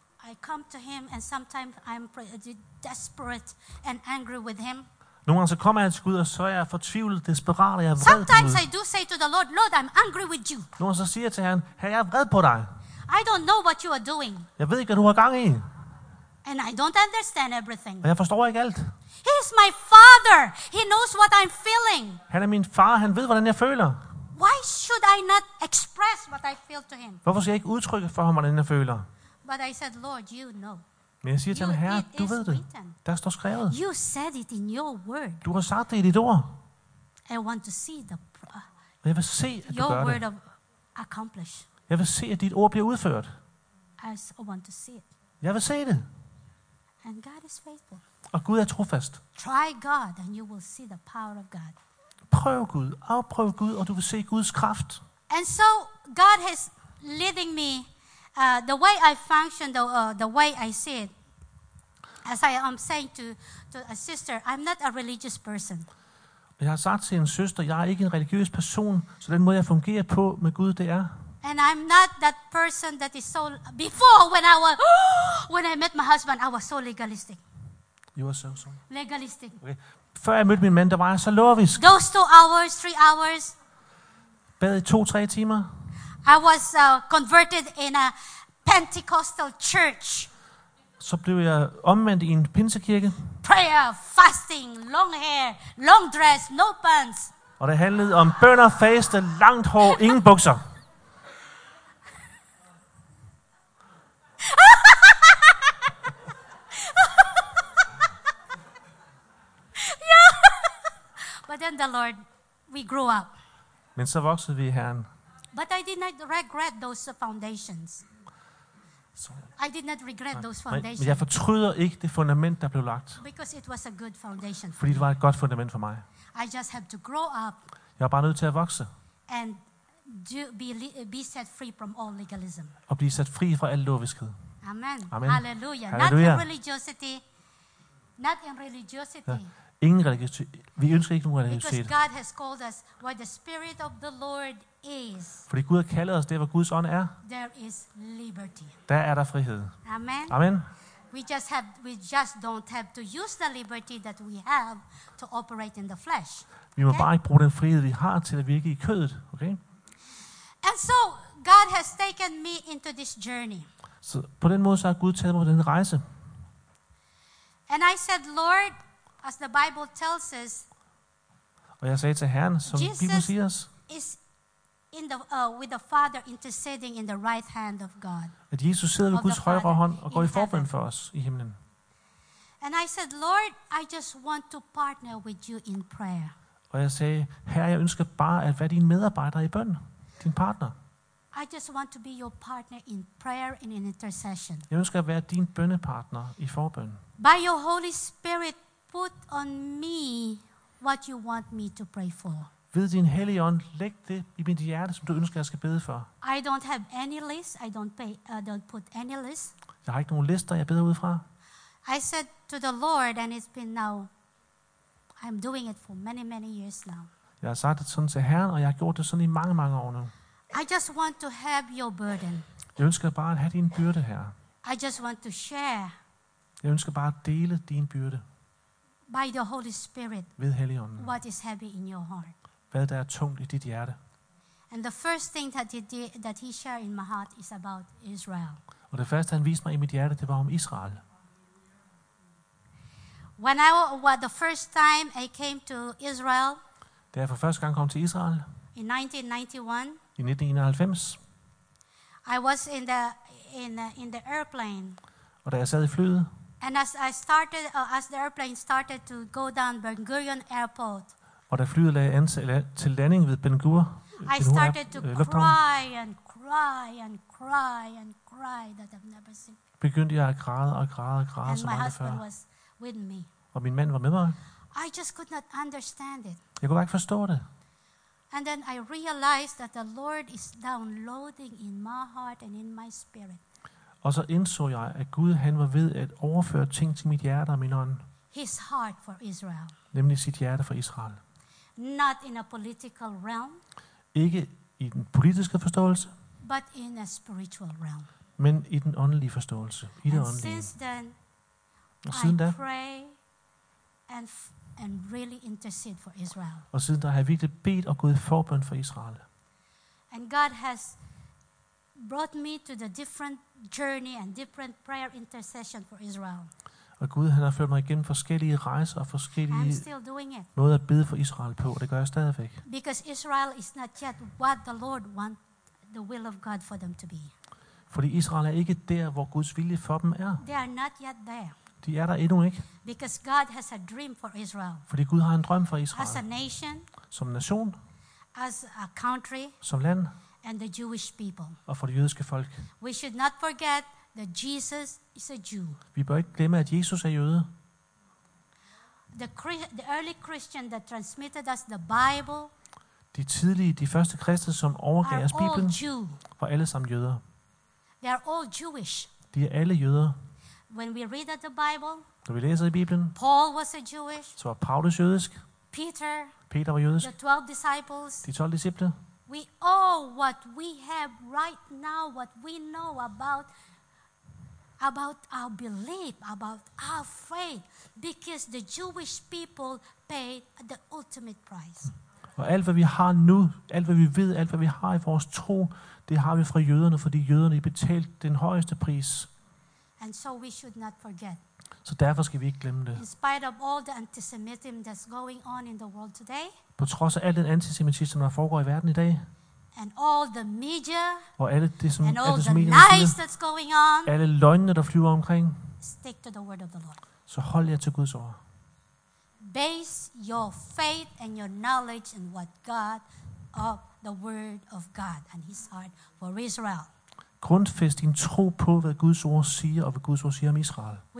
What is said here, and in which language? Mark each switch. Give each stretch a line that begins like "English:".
English: I come to him and sometimes I'm desperate and angry with him.
Danish: Nogle gange så kommer jeg til Gud og så er jeg fortvivlet, desperat, jeg er vred.
English: Sometimes I do say to the Lord, Lord, I'm angry with you.
Danish: Nogle gange så siger jeg til Herren, Herre, jeg er vred på dig.
English: I don't know what you are doing.
Danish: Jeg ved ikke hvad du har gang i.
English: And I don't understand everything.
Danish: Og jeg forstår ikke alt.
English: He is my father. He knows what I'm feeling.
Danish: Han er min far, han ved hvordan jeg føler.
English: Why should I not express what I feel to him?
Danish: Hvorfor skal jeg ikke udtrykke for ham hvordan jeg føler?
English: But I said, Lord, you know.
Danish: Men jeg siger til ham, Herre, du ved det. Der står skrevet.
English: You said it in your word.
Danish: Du har sagt det i dit ord.
English: I want to see the.
Danish: Og jeg vil se, at
English: your
Danish: du gør
English: word
Danish: det.
English: Of accomplish.
Danish: Jeg vil se, at dit ord bliver udført.
English: I want to see it.
Danish: Jeg vil se det.
English: And God is faithful.
Danish: Og Gud er trofast.
English: Try God, and you will see the power of God.
Danish: Prøv Gud, afprøv Gud, og du vil se Guds kraft.
English: And so God has leading me. The way I function, the way I see it, as I am saying to a sister, I'm not a religious person.
Danish: Jeg har sagt til en søster, jeg er ikke en religiøs person, så den måde jeg fungerer på med Gud, det er.
English: And I'm not that person that is so. Before when I met my husband, I was so legalistic. You were so. Legalistic. Okay.
Danish: Før jeg mødte min mand, der var jeg så lovisk.
English: Those 2 hours, 3 hours.
Danish: Bad i 2-3 timer.
English: I was converted in a Pentecostal church.
Danish: Så blev jeg omvendt i en pinsekirke.
English: Prayer, fasting, long hair, long dress, no pants.
Danish: Og det handlede om bøn og faste, langt hår, ingen bukser.
English: Yeah. But then the Lord, we grew up.
Danish: Men så voksede vi i Herren.
English: But I did not regret those foundations. I did not regret those foundations.
Danish: Men jeg fortryder ikke det fundament der blev lagt.
English: Because it was a good foundation.
Danish: Fordi det var et godt fundament for mig.
English: I just have to grow up.
Danish: Jeg var bare nødt til at vokse.
English: And do be set free from all legalism.
Danish: Og blive sat fri fra al loviskhed. Amen. Amen.
English: Hallelujah. Hallelujah. Not in religiosity. Not in religiosity. Ja.
Danish: Ingen religiøs. Vi ønsker ikke nogen religiøsitet.
English: Because God has called us where the Spirit of the Lord is.
Danish: Fordi Gud har kaldet os der, hvor Guds ånd er.
English: There is liberty.
Danish: Der er der frihed. Amen. Amen.
English: We just don't have to use the liberty that we have to operate in the flesh.
Danish: Vi må bare ikke bruge den frihed, vi har til at virke i kødet, okay?
English: And so God has taken me into this journey.
Danish: Så på den måde så har Gud taget mig på den rejse.
English: And I said, Lord. As the Bible tells us,
Danish: og jeg sagde til Herren, som Bibelen siger os,
English: is in the with the Father interceding in the right hand of God.
Danish: At Jesus sidder ved Guds højre hånd og går i forbøn for os i himlen.
English: And I said, Lord, I just want to partner with you in prayer.
Danish: Og jeg sagde, Herre, jeg ønsker bare at være din medarbejder i bøn, din partner.
English: I just want to be your partner in prayer and in intercession.
Danish: Jeg ønsker at være din bønnepartner i forbøn.
English: By your Holy Spirit, put on me what you want me to pray for.
Danish: Ved din Hellige Ånd, læg det i mit hjerte, som du ønsker, jeg skal bede for.
English: I don't have any list. I don't put any list.
Danish: Jeg har ikke nogen lister, jeg beder ud fra.
English: I said to the Lord, and it's been now. I'm doing it for many, many years now.
Danish: Jeg har sagt det sådan til Herren, og jeg har gjort det sådan i mange, mange år nu.
English: I just want to have your burden.
Danish: Jeg ønsker bare at have din byrde her.
English: I just want to share.
Danish: Jeg ønsker bare at dele din byrde.
English: By the Holy Spirit.
Danish: Ved Helligånden.
English: What is heavy in your heart?
Danish: Hvad der er tungt i dit hjerte.
English: And the first thing that he shared in my heart is about Israel.
Danish: Og det første han viste mig i mit hjerte, det var om Israel.
English: When I was the first time I came to Israel.
Danish: Da jeg for første gang kom til Israel.
English: In 1991.
Danish: I 1991.
English: I was in the airplane.
Danish: Og da jeg sad i flyet.
English: And as the airplane started to go down Ben Gurion Airport.
Danish: Og da flyet lagde an til landing ved Ben Gurion.
English: I started to cry and cry and cry and cry that I've never seen.
Danish: Begyndte jeg at græde og græde og græde så meget før.
English: With me.
Danish: Og min mand var med mig.
English: I just could not understand it.
Danish: Jeg kunne ikke forstå det.
English: And then I realized that the Lord is downloading in my heart and in my spirit.
Danish: Og så indså jeg, at Gud han var ved at overføre ting til mit hjerte og min ånd.
English: His heart for Israel.
Danish: Nemlig sit hjerte for Israel.
English: Not in a political realm.
Danish: Ikke i den politiske forståelse.
English: But in a spiritual realm.
Danish: Men i den åndelige forståelse, i det åndelige.
English: Since then,
Danish: og siden da,
English: I pray and really intercede for Israel.
Danish: Og siden da har jeg virkelig bedt og gået i forbøn for Israel.
English: And God has brought me to the different journey and different prayer intercession for Israel.
Danish: Og Gud han har ført mig igennem forskellige rejser og forskellige måder at bede for Israel på, og det gør jeg stadigvæk.
English: Because Israel is not yet what the Lord wants the will of God for them to be.
Danish: Fordi Israel er ikke der, hvor Guds vilje for dem er.
English: They are not yet there.
Danish: De er der endnu ikke.
English: Because God has a dream for Israel.
Danish: Fordi Gud har en drøm for Israel.
English: As a nation.
Danish: Som nation.
English: As a country.
Danish: Som land.
English: And the Jewish people.
Danish: Og for det jødiske folk.
English: We should not forget that Jesus is a Jew.
Danish: Vi bør ikke glemme at Jesus er jøde.
English: The early Christian that transmitted us the Bible.
Danish: De første kristne som overgav os Bibelen. Var alle sammen jøder.
English: They are all Jewish.
Danish: De er alle jøder.
English: When we read the Bible,
Danish: når vi læser i Bibelen,
English: Paul was a Jewish.
Danish: Så var Paulus jødisk.
English: Peter
Danish: var jødisk.
English: The 12 disciples.
Danish: De 12 disciple.
English: We all what we have right now, what we know about our belief, about our faith, because the Jewish people paid the ultimate price.
Danish: Og alt hvad vi har nu, alt hvad vi ved, alt hvad vi har i vores tro, det har vi fra jøderne, fordi jøderne betalte den højeste pris.
English: And so we should not forget.
Danish: Så derfor skal vi ikke glemme det.
English: In spite of all the antisemitism that's going on in the world today.
Danish: På trods af al den antisemitisme der foregår i verden i dag.
English: And all the media.
Danish: Og alle det som
English: and all
Danish: det, som
English: the lies that's going on.
Danish: Alle løgnene der flyver omkring.
English: Stick to the word of the Lord.
Danish: Så hold jer til Guds ord.
English: Base your faith and your knowledge in what God of the word of God and his heart for Israel.
Danish: Grundfæst din tro på, hvad Guds ord siger, og hvad Guds ord siger om Israel.